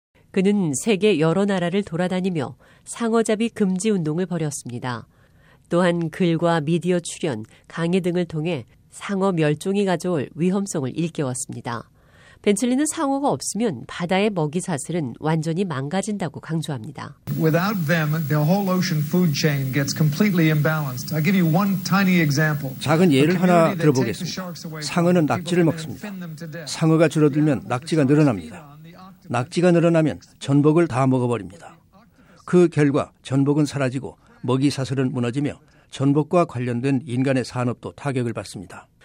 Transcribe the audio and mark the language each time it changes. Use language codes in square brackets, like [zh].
[ko] 그는 세계 여러 나라를 돌아다니며 상어잡이 금지 운동을 벌였습니다. 또한 글과 미디어 출연, 강의 등을 통해 상어 멸종이 가져올 위험성을 일깨웠습니다. 벤틀리는 상어가 없으면 바다의 먹이 사슬은 완전히 망가진다고 강조합니다. [en] Without them, the whole ocean food chain gets completely imbalanced. I give you one tiny example. [ko] 작은 예를 하나 들어보겠습니다. 상어는 낙지를 먹습니다. 상어가 줄어들면 낙지가 늘어납니다. 낙지가 늘어나면 전복을 다 먹어버립니다. 그 결과 전복은 사라지고 먹이 사슬은 무너지며 전복과 관련된 인간의 산업도 타격을 받습니다.